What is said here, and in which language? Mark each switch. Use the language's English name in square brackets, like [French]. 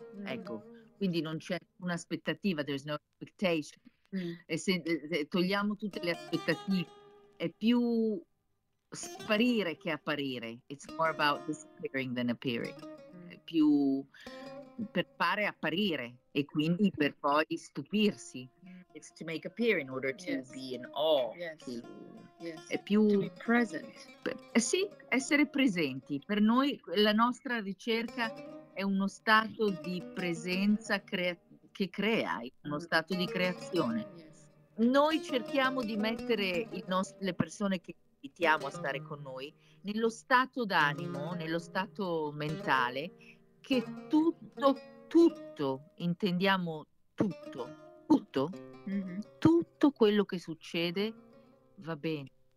[Italian] Ecco, quindi non c'è un'aspettativa, [English] there's no expectation. [Italian] E se togliamo tutte le aspettative, è più sparire che apparire. [English] It's more about disappearing than appearing. [Italian] È più per fare apparire e quindi per poi stupirsi. [English] It's to make appear in order to be in awe. [Italian] È più [English] to be present. [Italian] Sì, essere presenti. Per noi la nostra ricerca è uno stato di presenza che crea, uno stato di creazione. Noi cerchiamo di mettere le persone che invitiamo a stare con noi nello stato d'animo, nello stato mentale, che tutto, intendiamo tutto, tutto quello che succede va bene.